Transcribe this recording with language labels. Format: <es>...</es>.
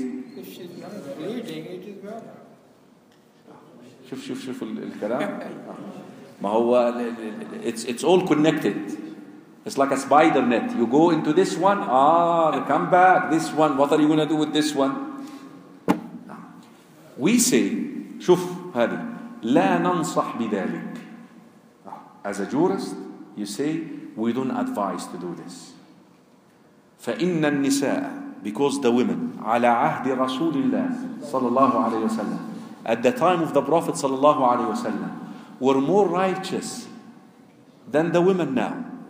<en>If she's not bleeding, it is valid.</en> <ar>شوف الكلام. ما هو</ar> <en>it's all connected. It's like a spider net. You go into this one, come back. This one, what are you going to do with this one? We say,</en> <ar>شوف هذه, لا ننصح بذلك.</ar> <en>As a jurist, you say, we don't advise to do this.</en> <ar>فإن النساء,</ar> <en>because the women,</en> <ar>على عهد رسول الله صلى الله عليه وسلم,</ar> <en>at the time of the Prophet</en> <ar>صلى الله عليه وسلم,</ar> <en>were more righteous than the women now.</en>